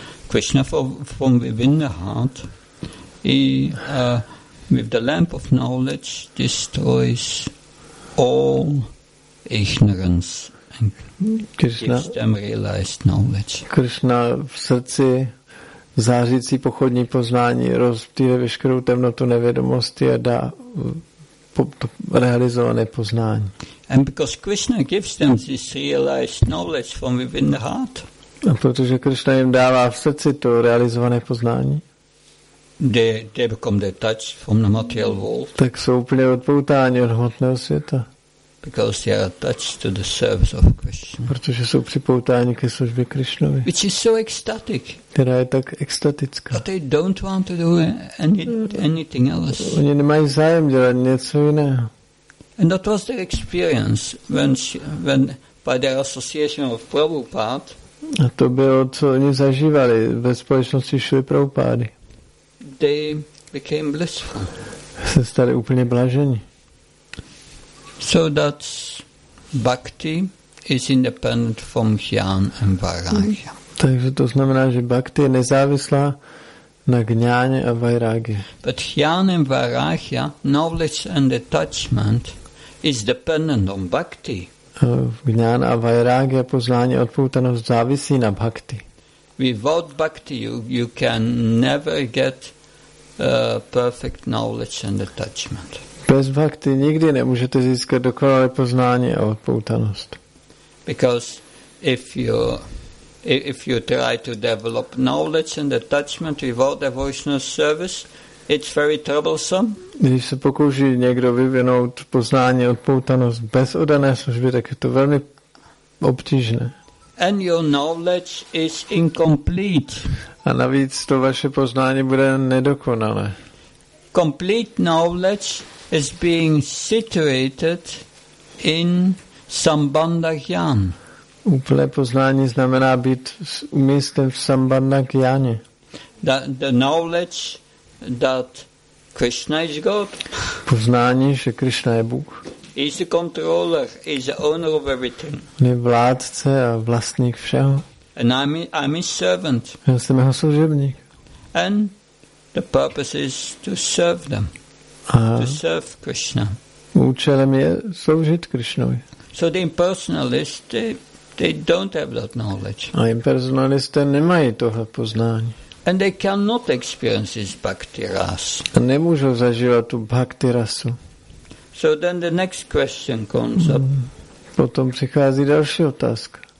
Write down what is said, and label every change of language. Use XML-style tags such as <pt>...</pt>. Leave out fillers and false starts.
<en>Krishna from within the heart, with the lamp of knowledge, destroys all ignorance and Krishna, gives them realized knowledge.</en> <cs>Krishna v srdci zářící pochodní poznání rozptýle veškerou temnotu nevědomosti a dá realizované poznání.</cs> <en>And because Krishna gives them this realized knowledge from within the heart.</en> <cs>A protože Krishna jim dává v srdci to realizované poznání.</cs> <en>They become detached from the material world.</en> <cs>Tak jsou úplně odpoutáni od hmotného světa.</cs> <en>Because they are attached to the service of Krishna.</en> <cs>Protože jsou připoutáni ke službě Krishnovi.</cs> <en>Which is so ecstatic.</en> <cs>Která je tak extatická.</cs> <en>But they don't want to do anything else.</en> <cs>Oni nemají zájem dělat něco jiného.</cs> <en>And that was their experience when by their association of Prabhupada.</en> <cs>A to bylo, co oni zažívali ve společnosti Šri Prabhupády.</cs> <en>They became blissful.</en> <cs>Se stali úplně blažení.</cs> <en>So that bhakti is independent from jnán and vairagya.</en> <cs>Takže to znamená, že bhakti je nezávislá na jnáně a vairagya.</cs> <en>But jnán and vairagya, knowledge and attachment, is dependent on bhakti.</en> <cs>Jnán a vairagya, poznání a odpoutanost, závisí na bhakti.</cs> <en>Without bhakti you can never get perfect knowledge and attachment.</en> <cs>Bez bhakti nikdy nemůžete získat dokonalé poznání a odpoutanost.</cs> <en>Because if you try to develop knowledge and attachment without devotional service, it's very troublesome.</en> <cs>Když se pokouší někdo vyvinout poznání a odpoutanost bez oddané služby, tak je to velmi obtížné.</cs> <en>And your knowledge is incomplete.</en> <cs>A navíc to vaše poznání bude nedokonalé.</cs> <en>Complete knowledge is being situated in sambandha jnán.</en> <cs>Úplné poznání znamená být umístěn v sambandha jnáně.</cs> <en>The knowledge that Krishna is God.</en> <cs>Poznání, že Krishna je Bůh.</cs> <en>He's the controller, he's the owner of everything.</en> <cs>On je vládce a vlastník všeho.</cs> <en>And I'm his servant.</en> <cs>Já jsem jeho služebník.</cs> <en>And the purpose is to serve them.</en> <cs>A</cs> <en>to serve Krishna.</en> <cs>Účelem je sloužit Krishnovi.</cs> <en>So the impersonalists, they don't have that knowledge.</en> <cs>A impersonalisté nemají tohle poznání.</cs> <en>And they cannot experience this bhakti ras.</en> <cs>A nemůžou zažívat tu bhakti rasu.</cs> <en>So then the next question comes up.</en> <cs>Potom přichází další otázka.</cs>